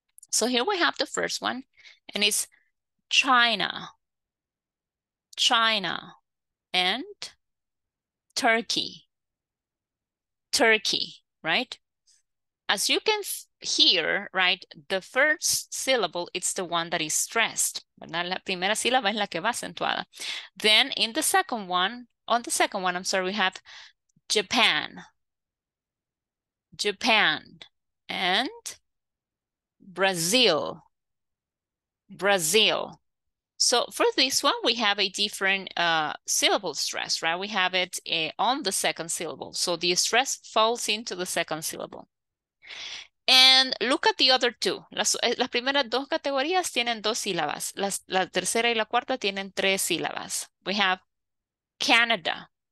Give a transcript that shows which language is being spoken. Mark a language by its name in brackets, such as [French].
[English] So here we have the first one, and it's China, and Turkey, right? As you can hear, right, the first syllable, it's the one that is stressed, ¿verdad? [Spanish] La primera sílaba es la que va acentuada. [English] Then in the second one, we have Japan, and Brazil. So for this one, we have a different syllable stress, right? We have it on the second syllable. So the stress falls into the second syllable. And look at the other two. [Spanish] Las primeras dos categorías tienen dos sílabas. La tercera y la cuarta tienen tres sílabas. [English] We have Canada.